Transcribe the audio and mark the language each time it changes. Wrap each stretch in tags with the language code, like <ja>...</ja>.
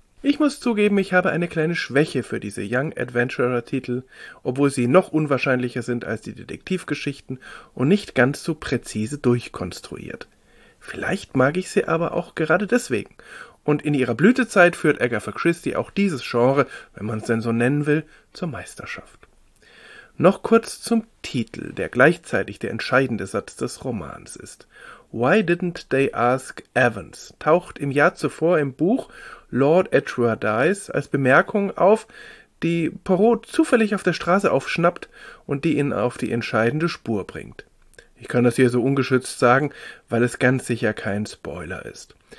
<de>Ich muss zugeben, ich habe eine kleine Schwäche für diese Young Adventurer-Titel, obwohl sie noch unwahrscheinlicher sind als die Detektivgeschichten und nicht ganz so präzise durchkonstruiert. Vielleicht mag ich sie aber auch gerade deswegen. Und in ihrer Blütezeit führt Agatha Christie auch dieses Genre, wenn man es denn so nennen will, zur Meisterschaft. Noch kurz zum Titel, der gleichzeitig der entscheidende Satz des Romans ist.</de> <en>Why Didn't They Ask Evans?</en> <de>Taucht im Jahr zuvor im Buch Lord Edgware Dies als Bemerkung auf, die Poirot zufällig auf der Straße aufschnappt und die ihn auf die entscheidende Spur bringt. Ich kann das hier so ungeschützt sagen, weil es ganz sicher kein Spoiler ist.</de>